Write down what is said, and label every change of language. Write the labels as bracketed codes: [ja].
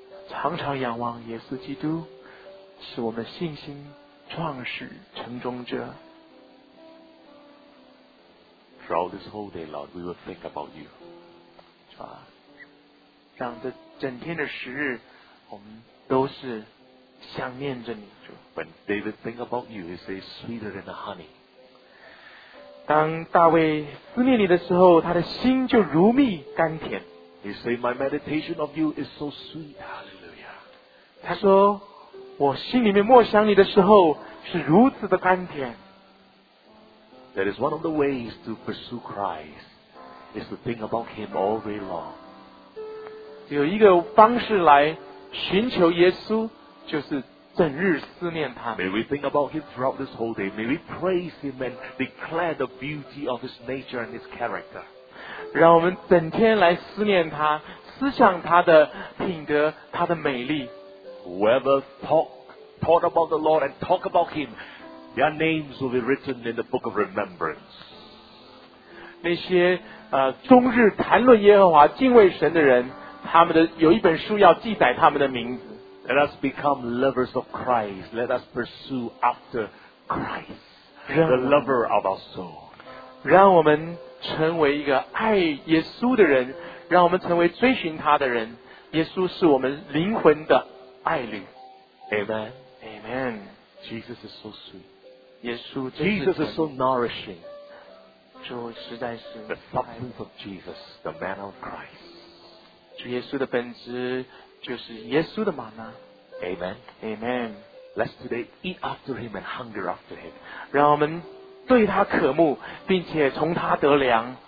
[zh] 常常仰望耶稣基督，是我们信心创始成终者。 [en] Throughout this whole day, Lord, we will think about you. [zh] 主啊，让这整天的时日，我们都是想念着你。主。 [en] When David think about you, he says, "Sweeter than the honey." [zh] 当大卫思念你的时候，他的心就如蜜甘甜。 [en] He says, "My meditation of you is so sweet." Hallelujah. [zh] 他说。我心里面默想你的时候是如此的甘甜。 [en] That is one of the ways to pursue Christ, is to think about Him all day long. [zh] 有一个方式来寻求耶稣，就是整日思念他。 [en] May we think about Him throughout this whole day. May we praise Him and declare the beauty of His nature and His character. [zh] 让我们整天来思念他，思想他的品德，他的美丽。 [en] Whoever talk about the Lord and talk about Him, their names will be written in the book of remembrance. [zh] 那些终日谈论耶和华敬畏神的人，他们的有一本书要记载他们的名字。 [en] Let us become lovers of Christ. Let us pursue after Christ, the lover of our soul. [zh] 让我们成为一个爱耶稣的人，让我们成为追寻他的人。耶稣是我们灵魂的爱侣。 [en] Amen. Amen. Jesus is so sweet. [zh] 耶稣 [en] Jesus is so nourishing. [zh] 主实在是 [en] the substance of Jesus, the man of Christ. [zh] 主耶稣的本质就是耶稣的玛纳。 [en] Amen. Amen. Let's today eat after him and hunger after him. [zh] 让我们对他渴慕，并且从他得粮。